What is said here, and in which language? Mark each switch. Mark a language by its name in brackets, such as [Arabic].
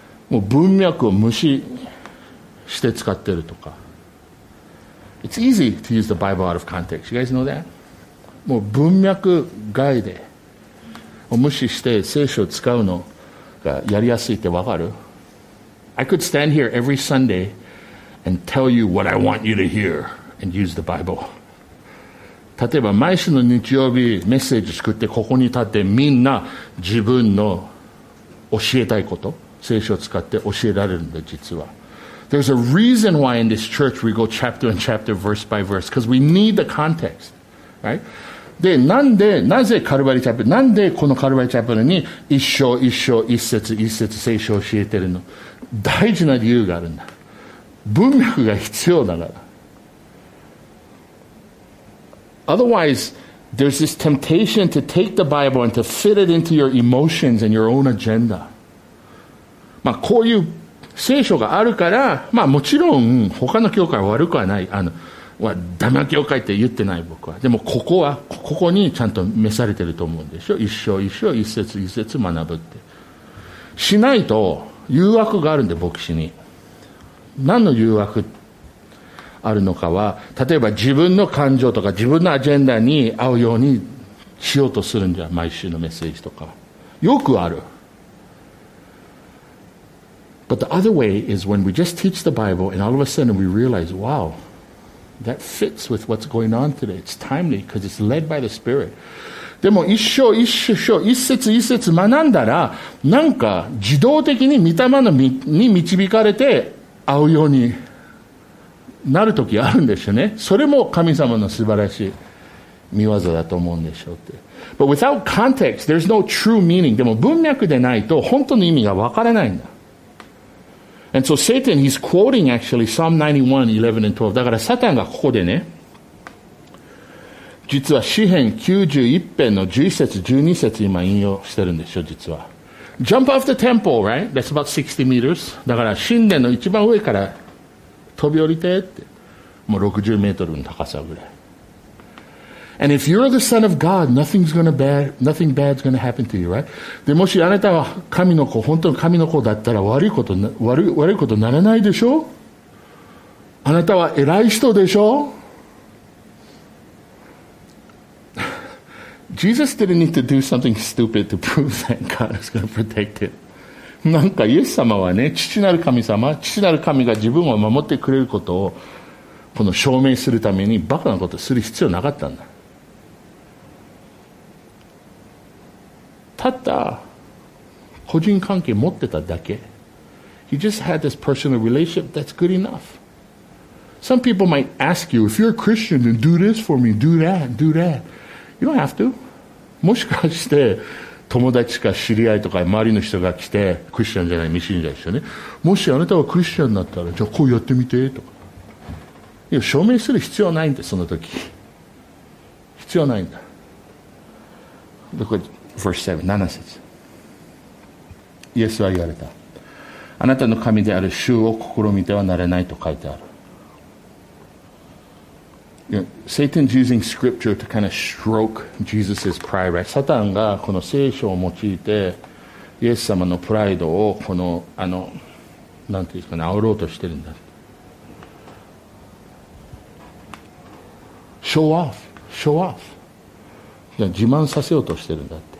[Japanese] もう文脈を無視して使ってるとか。 [English] It's easy to use the Bible out of context. You guys know that? [Japanese] もう文脈外で無視して聖書を使うのがやりやすいってわかる？ [English] I could stand here every Sunday and tell you what I want you to hear and use the Bible. [Japanese] 例えば毎週の日曜日メッセージ作ってここに立ってみんな自分の教えたいこと聖書を使って教えられるんだ。実は [English] There's a reason why in this church we go chapter and chapter verse by verse because we need the context, right? [Japanese] で、なぜカルバリチャペル、なんでこのカルバリチャペルに一章一章一節一節聖書を教えてるの。大事な理由があるんだ。文脈が必要だから。 [English] Otherwise there's this temptation to take the Bible and to fit it into your emotions and your own agenda. [Japanese] まあ、こういう聖書があるから、まあ、もちろん他の教会は悪くはない。ダメな教会って言ってない僕は。でもここはここにちゃんと召されてると思うんでしょ。一章一章一節一節学ぶってしないと誘惑があるんで、牧師に。何の誘惑あるのかは、例えば自分の感情とか自分のアジェンダに合うようにしようとするんじゃ、毎週のメッセージとかよくある。 [English] But the other way is when we just teach the Bible and all of a sudden we realize, wow, that fits with what's going on today. It's timely because it's led by the Spirit. [Japanese] でも一章一章一節一節学んだら、なんか自動的に御霊のに導かれて合うようになる時あるんですよね。それも神様の素晴らしい見業だと思うんでしょうって。 [English] But without context, there's no true meaning. [Japanese] でも文脈でないと本当の意味がわからないんだ。 [English] And so Satan, he's quoting actually Psalm 91, 11 and 12. [Japanese] だからサタンがここでね、実は詩篇91編の11節、12節今引用してるんでしょ、実は。 [English] Jump off the temple, right? That's about 60 meters. [Japanese] だから神殿の一番上から飛び降りてって。もう60メートルの高さぐらい。 [English] And if you're the son of God, nothing's gonna bad, nothing bad's gonna happen to you, right? [Japanese] で、もしあなたは神の子、本当の神の子だったら悪いことならないでしょ？あなたは偉い人でしょ？ [English] Jesus didn't need to do something stupid to prove that God is gonna protect him. [Japanese] なんかイエス様はね、父なる神様、父なる神が自分を守ってくれることをこの証明するためにバカなことする必要なかったんだ。たった個人関係持ってただけ。 [English] He just had this personal relationship. That's good enough. Some people might ask you, if you're a Christian, then do this for me, do that, do that. You don't have to. [Japanese] もしかして友達か知り合いとか周りの人が来て、クリスチャンじゃない、ミシンじゃないですよね。もしあなたはクリスチャンになったら、じゃあこうやってみてとか。いや、証明する必要ないんだ、その時。必要ないんだ。だから、 [English] Verse 7, [Japanese] 7節。イエスは言われた。あなたの神である主を試みてはならないと書いてある。 [English] You know, Satan's using scripture to kind of stroke Jesus' pride, right? [Japanese] サタンがこの聖書を用いて、イエス様のプライドをこの、あの、なんていうんですかね、煽ろうとしてるんだ。 [English] Show off, show off. [Japanese] 自慢させようとしてるんだ。